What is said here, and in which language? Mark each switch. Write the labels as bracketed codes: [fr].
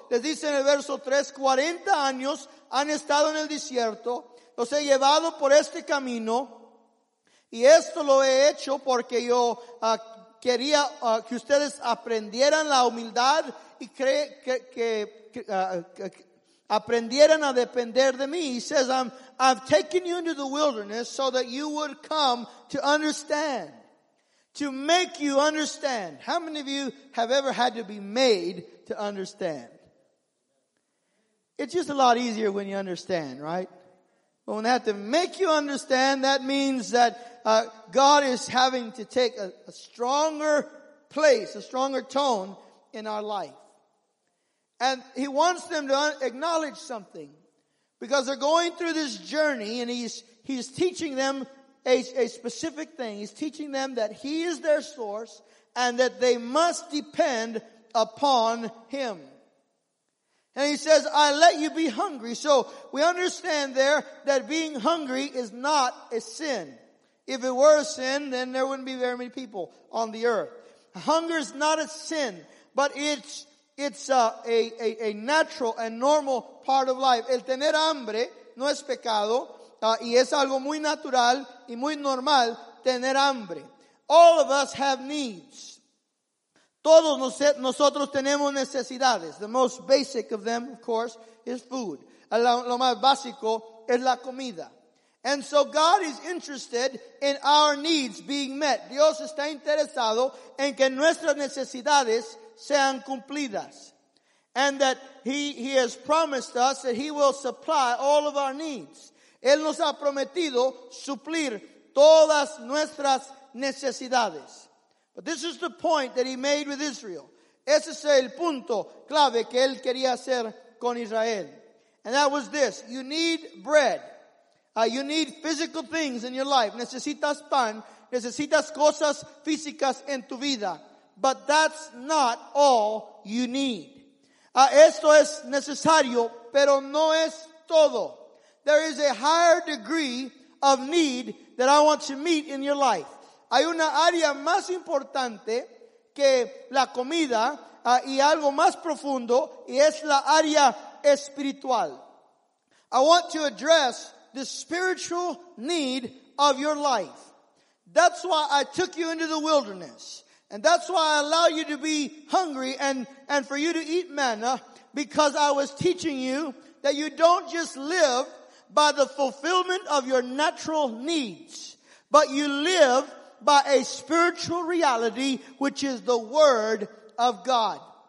[es] Les dice en el verso 3, 40 años han estado en el desierto. Los he llevado por este camino. Y esto lo he hecho porque yo quería que ustedes aprendieran la humildad. Y cree que aprendieran a depender de mí. [en] He says, I've taken you into the wilderness so that you would come to understand. To make you understand. How many of you have ever had to be made to understand? It's just a lot easier when you understand, right? But when they have to make you understand, that means that God is having to take a stronger place, a stronger tone in our life. And he wants them to acknowledge something, because they're going through this journey and he's teaching them a specific thing. He's teaching them that he is their source and that they must depend upon him. And he says, I let you be hungry. So we understand there that being hungry is not a sin. If it were a sin, then there wouldn't be very many people on the earth. Hunger is not a sin, but it's a natural and normal part of life. [es] El tener hambre no es pecado, y es algo muy natural y muy normal tener hambre. [en] All of us have needs. [es] Todos nosotros tenemos necesidades. [en] The most basic of them, of course, is food. [es] Lo más básico es la comida. [en] And so God is interested in our needs being met. [es] Dios está interesado en que nuestras necesidades sean cumplidas, [en] and that he has promised us that he will supply all of our needs. [es] Él nos ha prometido suplir todas nuestras necesidades. [en] But this is the point that he made with Israel. [es] Ese es el punto clave que él quería hacer con Israel. [en] And that was this. You need bread. You need physical things in your life. [es] Necesitas pan. Necesitas cosas físicas en tu vida. [en] But that's not all you need. [es] Esto es necesario, pero no es todo. [en] There is a higher degree of need that I want to meet in your life. [es] Hay una área más importante que la comida y algo más profundo, y es la área espiritual. [en] I want to address the spiritual need of your life. That's why I took you into the wilderness. And that's why I allow you to be hungry and for you to eat manna, because I was teaching you that you don't just live by the fulfillment of your natural needs, but you live by a spiritual reality, which is the Word of God.